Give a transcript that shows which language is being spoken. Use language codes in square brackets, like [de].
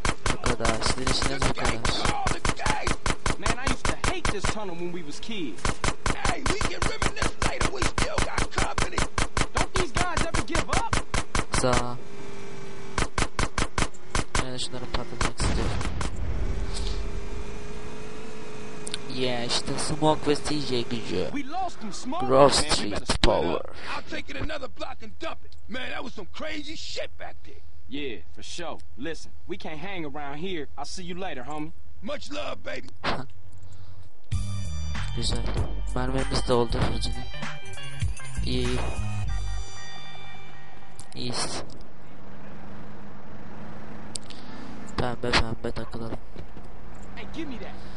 [en] Look at that. Look at that. Man, I used to hate this tunnel when we was kids. Hey, we can reminisce later. We still got company. Don't these guys ever give up? [tr] Yoksa... Yine şunları patlatmak istiyorum. Yeah, işte [en] Smoke [tr] ve CJ gücü. [en] Grove Street Power. I'll take it another block and dump it. Man, that was some crazy shit back there. Yeah, for sure. Listen, we can't hang around here. I'll see you later, homie. Much love, baby. [tr] Güzel. Mermimiz de oldu hırcını. İyi. İyiyiz. Pembe pembe takılalım. [en] Hey, give me that.